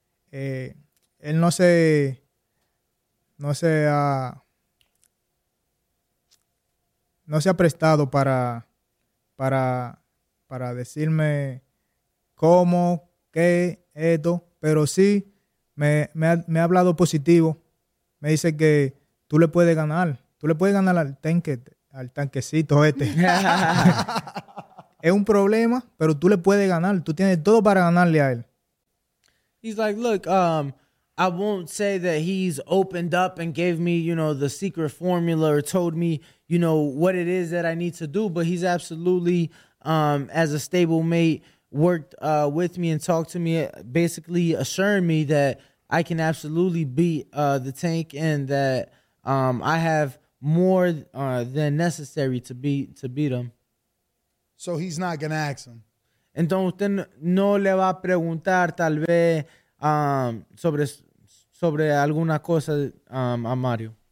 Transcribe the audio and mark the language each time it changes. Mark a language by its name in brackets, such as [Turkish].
[Spanish] Él no se ha prestado para decirme cómo, qué, esto, pero sí me ha hablado positivo. Me dice que tú le puedes ganar. Tú le puedes ganar al tanquecito este. Es un problema, pero tú le puedes ganar. Tú tienes todo para ganarle a él. [English] He's like, look, I won't say that he's opened up and gave me, you know, the secret formula or told me, you know, what it is that I need to do, but he's absolutely, as a stablemate, worked with me and talked to me, basically assuring me that I can absolutely beat the tank and that I have more than necessary to beat him. So he's not going to ask him. [Spanish] Entonces usted no le va a preguntar tal vez sobre alguna cosa a Mario.